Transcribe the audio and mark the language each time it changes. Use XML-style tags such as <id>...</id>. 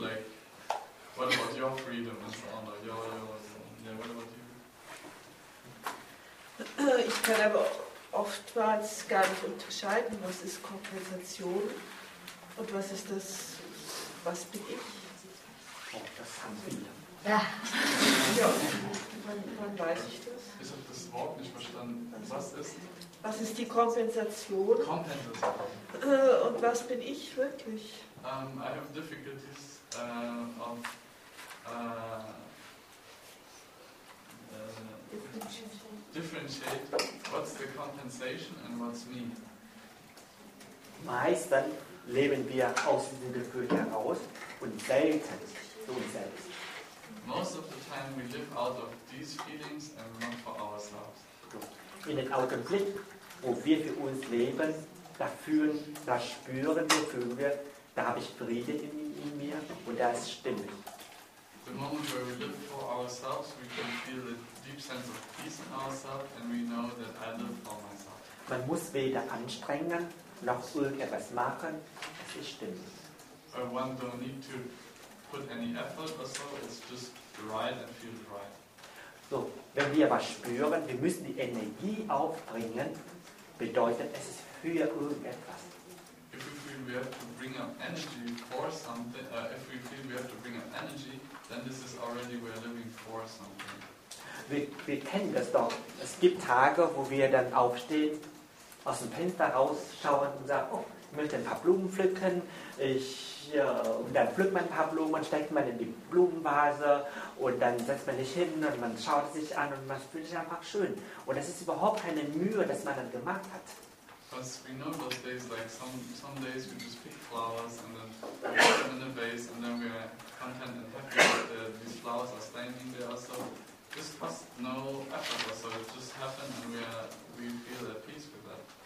<en>Like, what about your freedom and so on? Yeah, what about you?</en> <de>Ich kann aber oftmals gar nicht unterscheiden, was ist Kompensation und was ist das, was bin ich? Oh, das haben wir. Ja. Wann weiß ich das? Ich habe das Wort nicht verstanden. Was ist? Was ist die Kompensation? Kompensation. Und was bin ich wirklich?</de> <en>I have difficulties differentiate what's the compensation and what's me.</en> <de>Meist dann leben wir aus diesem Gefühl heraus und selten so selbst.</de> <en>Most of the time we live out of these feelings and not for ourselves.</en> <de>In den Augenblick, wo wir für uns leben, da fühlen, da spüren wir, fühlen wir, da habe ich Frieden in mir und da ist Stimme.</de> <en>The moment where we live for ourselves, we can feel a deep sense of peace in ourselves and we know that I live for myself.</en> <de>Man muss weder anstrengen noch irgendetwas machen, es ist Stimme.</de> <en>One don't need to put any effort or so, it's just right and feel right.</en> <de>So, wenn wir aber spüren, wir müssen die Energie aufbringen, bedeutet, es ist für irgendetwas.</de> <en>If we feel we have to bring up energy for something, if we feel we have to bring up energy, then this is already we are living for something.</en> <de>Wir kennen das doch. Es gibt Tage, wo wir dann aufstehen, aus dem Fenster rausschauen und sagen, oh, ich möchte ein paar Blumen pflücken, und dann pflückt man ein paar Blumen und steckt man in die Blumenvase und dann setzt man sich hin und man schaut sich an und man fühlt sich einfach schön. Und das ist überhaupt keine Mühe, dass man dann gemacht hat.</de> <en>Because we know those days, like some days we just pick flowers and then we put them in the vase and then we are content and happy that these flowers are standing there. So this was no effort, so it just happened and we feel at peace with that.</en>